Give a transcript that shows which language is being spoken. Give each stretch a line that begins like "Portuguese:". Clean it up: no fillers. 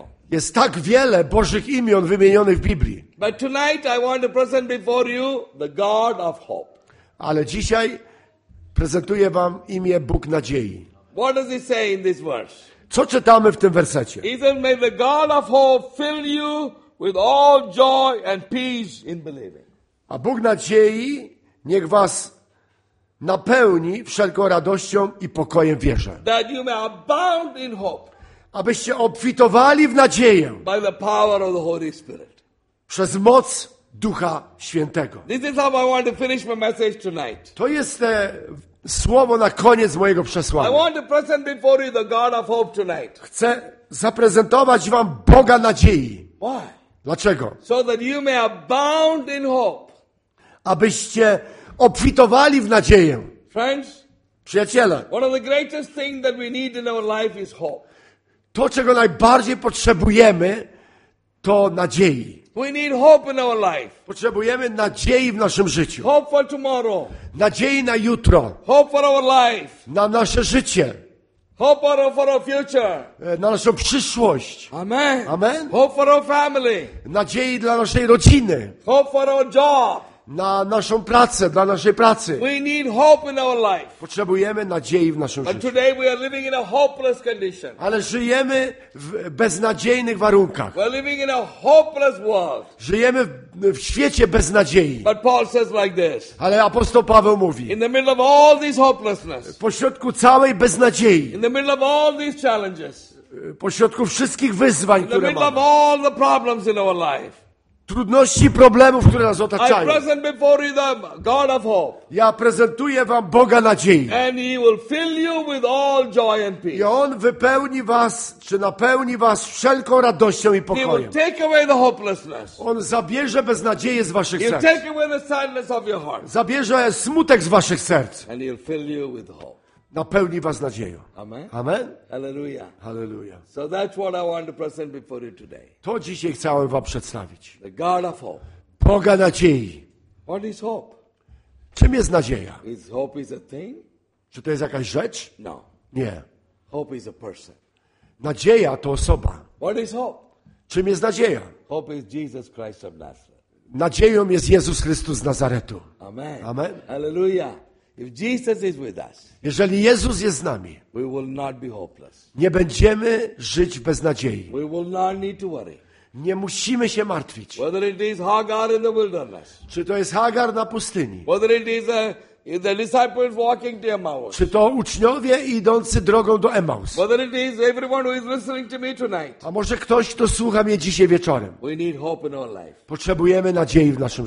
Polish: Jest tak wiele Bożych imion wymienionych w Biblii.
English: But tonight I want to present before you the God of hope.
Polish: Ale dzisiaj prezentuję wam imię Bóg nadziei.
English: What does he say in this verse?
Polish: Co czytamy w tym wersecie?
English: Even may the God of hope fill you with all joy and peace in believing.
Polish: A Bóg nadziei niech was napełni wszelką radością i pokojem wierze.
English: That you may abound in hope.
Polish: Abyście obfitowali w nadzieję.
English: By the power of the Holy Spirit.
Polish: Przez moc Ducha Świętego.
English: This is how I want to finish my message tonight.
Polish: To jest słowo na koniec mojego przesłania.
English: I want to present before you the God of hope tonight.
Polish: Chcę zaprezentować wam Boga nadziei.
English: Why?
Polish: Dlaczego?
English: So that you may abound in hope.
Polish: Abyście obfitowali w nadzieję.
English: Friends,
Polish: przyjaciele.
English: One of the greatest things that we need in our life is hope.
Polish: To, czego najbardziej potrzebujemy, to nadziei.
English: We need hope in our life.
Polish: Potrzebujemy nadziei w naszym życiu.
English: Hope for tomorrow.
Polish: Nadziei na jutro.
English: Hope for our life.
Polish: Na nasze życie.
English: Hope for our future.
Polish: Na naszą przyszłość.
English: Amen.
Polish: Amen.
English: Hope for our family.
Polish: Nadziei dla naszej rodziny.
English: Hope for our job.
Polish: Na naszą pracę, dla naszej pracy.
English: We need hope in our life.
Polish: Potrzebujemy nadziei w naszym życiu.
English: But today we are living in a hopeless condition.
Polish: Ale żyjemy w beznadziejnych warunkach.
English: We are living in a hopeless world.
Polish: Żyjemy w świecie bez nadziei.
English: But Paul says like this.
Polish: Ale apostoł Paweł mówi.
English: In the middle of all this hopelessness.
Polish: Pośrodku całej beznadziei.
English: In the middle of all these challenges.
Polish: Pośrodku wszystkich wyzwań, które mamy.
English: In the middle of all the problems in our life.
Polish: Trudności i problemów, które nas otaczają.
English: I present before you the God of hope.
Polish: Ja prezentuję wam Boga nadziei.
English: And he will fill you with all joy and peace.
Polish: I on wypełni was, czy napełni was wszelką radością i pokojem.
English: He will take away the hopelessness.
Polish: On zabierze beznadzieję z waszych
English: He'll
Polish: serc.
English: Take away the sadness of your heart.
Polish: Zabierze smutek z waszych serc.
English: And he'll fill you with hope.
Polish: Napełni was nadzieją.
English: Amen.
Polish: Amen.
English: Hallelujah.
Polish: Hallelujah.
English: So that's what I want to present before you today.
Polish: To dzisiaj chciałem wam przedstawić.
English: The God of hope.
Polish: Boga nadziei.
English: What is hope?
Polish: Czym jest nadzieja?
English: Is hope is a thing?
Polish: Czy to jest jakaś rzecz?
English: No.
Polish: Nie.
English: Hope is a person.
Polish: Nadzieja to osoba.
English: What is hope?
Polish: Czym jest nadzieja?
English: Hope is Jesus Christ of Nazareth.
Polish: Nadzieją jest Jezus Chrystus z Nazaretu.
English: Amen.
Polish: Amen.
English: Hallelujah. If Jesus is with us,
Polish: jeżeli Jezus jest z nami,
English: we will not be hopeless.
Polish: Nie będziemy żyć bez nadziei.
English: We will not need to worry.
Polish: Nie musimy się martwić.
English: Whether it is Hagar in the wilderness,
Polish: czy to jest Hagar na pustyni?
English: Whether it is the disciples walking to Emmaus,
Polish: czy to uczniowie idący drogą do Emmaus?
English: Whether it is everyone who is listening to me tonight,
Polish: a może ktoś, kto słucha mnie dzisiaj wieczorem?
English: We need hope in our life.
Polish: Potrzebujemy nadziei w naszym